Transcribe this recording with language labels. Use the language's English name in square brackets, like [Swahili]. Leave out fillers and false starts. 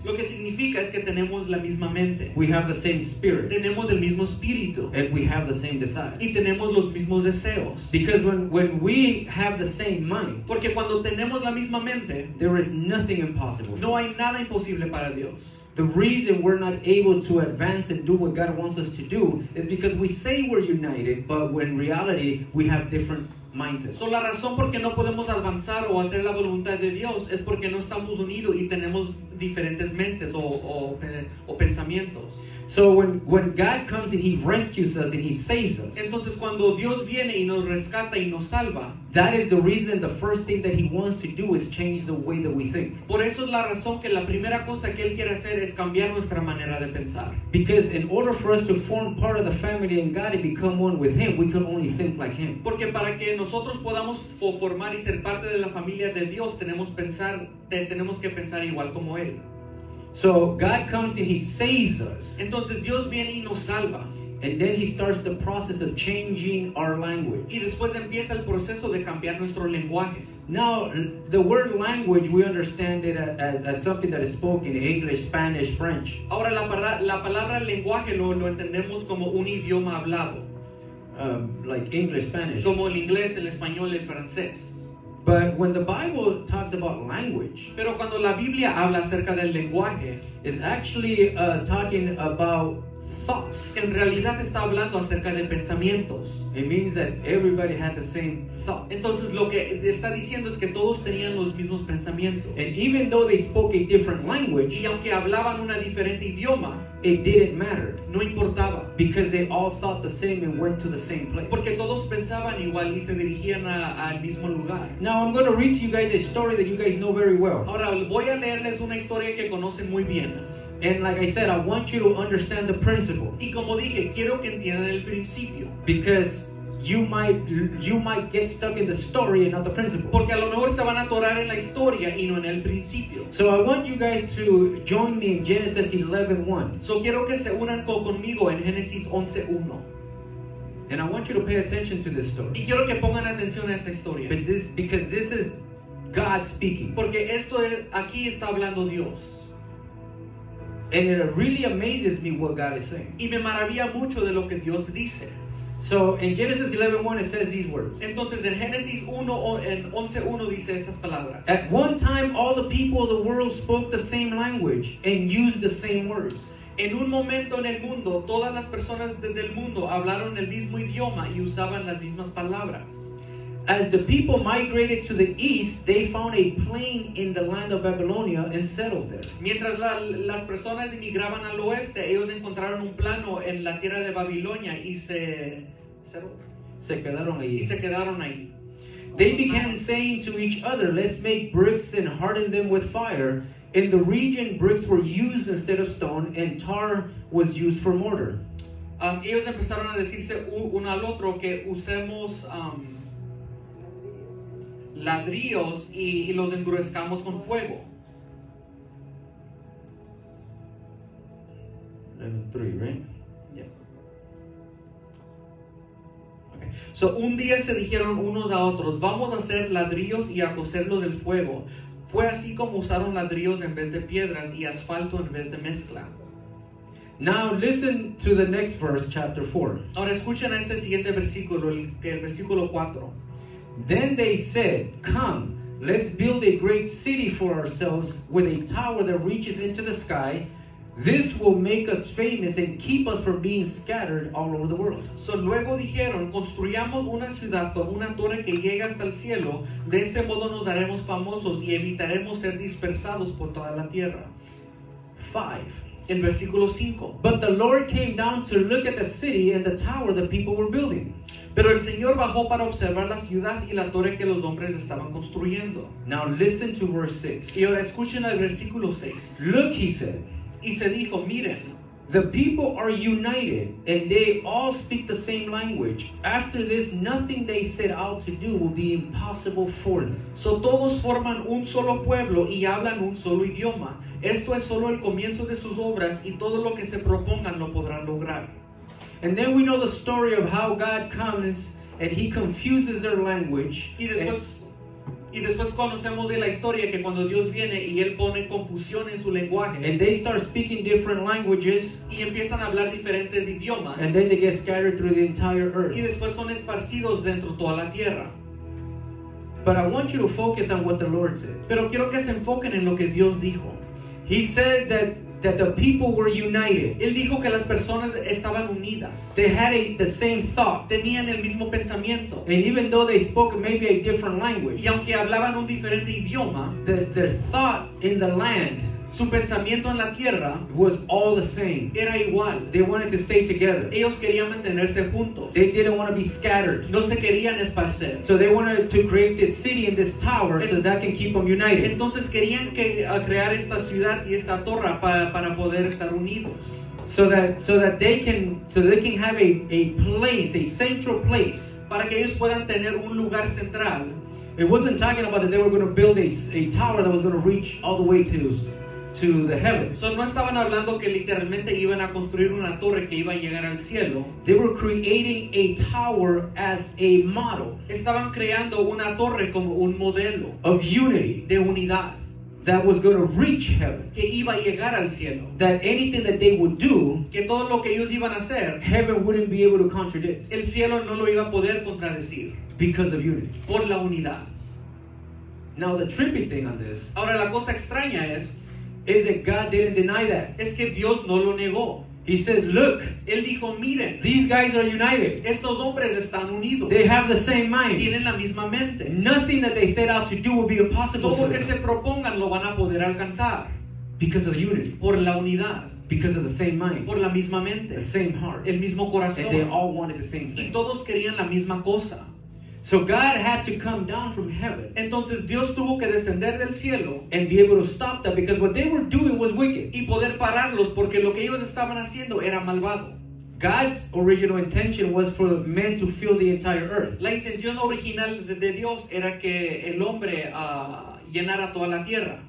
[Spanish] Lo que significa es que tenemos la misma mente. [English] We have the same spirit. [Spanish] Tenemos el mismo espíritu. [English] And we have the same desire. [Spanish] Y tenemos los mismos deseos. [English] Because when we have the same mind, [Spanish] porque cuando tenemos la misma mente, [English] there is nothing impossible. [Spanish] No hay nada imposible para Dios. [English] The reason we're not able to advance and do what God wants us to do is because we say we're united, but when in reality we have different mindsets. [Spanish] So la razón por qué no podemos avanzar o hacer la voluntad de Dios es porque no estamos unidos y tenemos diferentes mentes o pensamientos. [English] So when God comes and he rescues us and he saves us. [Spanish] Entonces cuando Dios viene y nos rescata y nos salva. [English] That is the reason the first thing that he wants to do is change the way that we think. [Spanish] Por eso es la razón que la primera cosa que él quiere hacer es cambiar nuestra manera de pensar. [English] Because in order for us to form part of the family in God and become one with him, we can only think like him. [Spanish] Porque para que nosotros podamos formar y ser parte de la familia de Dios, tenemos que pensar igual como él. [English] So God comes and he saves us. [Spanish] Entonces Dios viene y nos salva. [English] And then he starts the process of changing our language. [Spanish] Y después empieza el proceso de cambiar nuestro lenguaje. [English] Now, the word language, we understand it as something that is spoken in English, Spanish, French. [Spanish] Ahora la palabra lenguaje lo entendemos como un idioma hablado. [English] Like English, Spanish. [Spanish] Como el inglés, el español, el francés. [English] But when the Bible talks about language, [Spanish] pero cuando la Biblia habla acerca del lenguaje, [English] it's actually talking about thoughts. [Spanish] En realidad está hablando acerca de pensamientos. [English] It means that everybody had the same thoughts. [Spanish] Entonces lo que está diciendo es que todos tenían los mismos pensamientos. [English] And even though they spoke a different language, [Spanish] y aunque hablaban una diferente idioma, [English] it didn't matter. [Spanish] No importaba. [English] Because they all thought the same and went to the same place. [Spanish] Porque todos pensaban igual y se dirigían al mismo lugar. [English] Now I'm going to read to you guys a story that you guys know very well. [Spanish] Ahora voy a leerles una historia que conocen muy bien. [English] And like I said, I want you to understand the principle. [Spanish] Y como dije, quiero que entiendan el principio. [English] Because you might get stuck in the story and not the principle. [Spanish] Porque a lo mejor se van a atorar en la historia y no en el principio. [English] So I want you guys to join me in Genesis 11:1. [Spanish] So quiero que se unan conmigo en Génesis 11:1. [English] And I want you to pay attention to this story. [Spanish] Y quiero que pongan atención a esta historia. [English] Because this is God speaking. [Spanish] Porque esto es, aquí está hablando Dios. [English] And it really amazes me what God is saying. [Spanish] Y me maravilla mucho de lo que Dios dice. [English] So in Genesis 11:1 it says these words. [Spanish] Entonces en Génesis 11:1 dice estas palabras. [English] At one time all the people of the world spoke the same language and used the same words. [Spanish] En un momento en el mundo, todas las personas del mundo hablaron el mismo idioma y usaban las mismas palabras. [English] As the people migrated to the east, they found a plain in the land of Babylonia and settled there. [Spanish] Mientras las personas emigraban al oeste, ellos encontraron un plano en la tierra de Babilonia y se quedaron ahí. [English] They began saying to each other, "Let's make bricks and harden them with fire." In the region, bricks were used instead of stone, and tar was used for mortar. [Spanish] Ellos empezaron a decirse uno al otro que usemos ladrillos y los endurezcamos con fuego. [English] 11:3, right? Yeah. Okay. [Spanish] So un día se dijeron unos a otros, vamos a hacer ladrillos y a cocerlos del fuego. Fue así como usaron ladrillos en vez de piedras y asfalto en vez de mezcla. [English] Now listen to the next verse, chapter 4. [Spanish] Ahora escuchen a este siguiente versículo, el versículo 4. [English] Then they said, come, let's build a great city for ourselves with a tower that reaches into the sky. This will make us famous and keep us from being scattered all over the world. [Spanish] So luego dijeron, construyamos una ciudad con una torre que llegue hasta el cielo. De este modo nos haremos famosos y evitaremos ser dispersados por toda la tierra. [English] 5. [Spanish] El versículo 5. [English] But the Lord came down to look at the city and the tower the people were building. [Spanish] Pero el Señor bajó para observar la ciudad y la torre que los hombres estaban construyendo. [English] Now listen to verse 6. [Spanish] Y ahora escuchen el versículo 6. [English] Look, he said. [Spanish] Y se dijo, miren. [English] The people are united and they all speak the same language. After this, nothing they set out to do will be impossible for them. [Spanish] So todos forman un solo pueblo y hablan un solo idioma. Esto es solo el comienzo de sus obras y todo lo que se propongan lo podrán lograr. [English] And then we know the story of how God comes and he confuses their language. [Spanish] Y después conocemos de la historia que cuando Dios viene y él pone confusión en su lenguaje. [English] And they start speaking different languages. [Spanish] Y empiezan a hablar diferentes idiomas. [English] And then they get scattered through the entire earth. [Spanish] Y después son esparcidos dentro toda la tierra. [English] But I want you to focus on what the Lord said. [Spanish] Pero quiero que se enfoquen en lo que Dios dijo. [English] He said that the people were united. [Spanish] Él dijo que las personas estaban unidas. [English] They had the same thought. [Spanish] Tenían el mismo pensamiento. [English] And even though they spoke maybe a different language. [Spanish] Y aunque hablaban un diferente idioma. [English] Their thought in the land. [Spanish] Su pensamiento en la tierra. [English] Was all the same. [Spanish] Era igual. [English] They wanted to stay together. [Spanish] Ellos querían mantenerse juntos. [English] They didn't want to be scattered. [Spanish] No se querían esparcer. [English] So they wanted to create this city and this tower so that can keep them united. [Spanish] Entonces querían crear esta ciudad y esta torre para poder estar unidos. [English] So that they can have a place, a central place. [Spanish] Para que ellos puedan tener un lugar central. [English] It wasn't talking about that they were going to build a tower that was going to reach all the way to the heavens. [Spanish] So no estaban hablando que literalmente iban a construir una torre que iba a llegar al cielo. [English] They were creating a tower as a model. [Spanish] Estaban creando una torre como un modelo [English] of unity, [Spanish] de unidad, [English] that was going to reach heaven, [Spanish] que iba a llegar al cielo. [English] That anything that they would do, [Spanish] que todo lo que ellos iban a hacer, [English] heaven wouldn't be able to contradict. [Spanish] El cielo no lo iba a poder contradecir. [English] Because of unity, [Spanish] por la unidad. [English] Now the trippy thing on this, [Spanish] ahora la cosa extraña es, [English] is that God didn't deny that. [Spanish] Es que Dios no lo negó. [English] He said, look. [Spanish] Él dijo, miren. [English] These guys are united. [Spanish] Estos hombres están unidos. [English] They have the same mind. [Spanish] Tienen la misma mente. [English] Nothing that they set out to do will be impossible for them. [Spanish] Todo lo que se propongan lo van a poder alcanzar. [English] Because of the unity. [Spanish] Por la unidad. [English] Because of the same mind. [Spanish] Por la misma mente. [English] The same heart. [Spanish] El mismo corazón. [English] And they all wanted the same thing. [Spanish] Y todos querían la misma cosa. [English] So God had to come down from heaven. [Spanish] Entonces Dios tuvo que descender del cielo. [English] And be able to stop them because what they were doing was wicked. [Spanish] Y poder pararlos porque lo que ellos estaban haciendo era malvado. [English] God's original intention was for men to fill the entire earth. [Spanish] La intención original de Dios era que el hombre llenara toda la tierra.